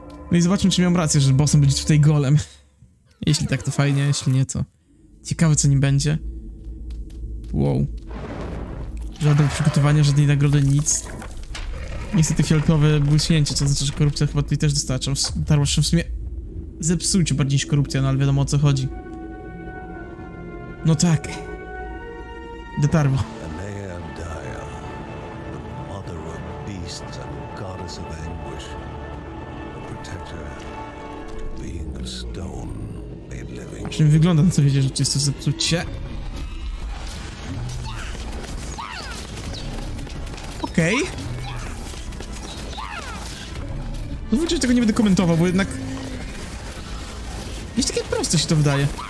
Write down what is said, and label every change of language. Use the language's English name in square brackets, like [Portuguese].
[Polish] No i zobaczmy, czy miałem rację, że bossem będzie tutaj golem. Jeśli tak, to fajnie, jeśli nie, to ciekawe co nim będzie. Wow. Żadne przygotowania, żadnej nagrody, nic. Niestety fiolkowe błysnięcie, co znaczy, że korupcja chyba tutaj też dostarła się w sumie zepsuć bardziej niż korupcja, no ale wiadomo o co chodzi. No tak. Dotarło. [English] Anea Dyer, the mother of beasts and goddess of anguish. The protector, being a stone made living. [Polish] Czym wygląda, no co wiecie, że to jest to zepsucie? okej. No w ogóle tego nie będę komentował, bo jednak... Jest takie proste się to wydaje.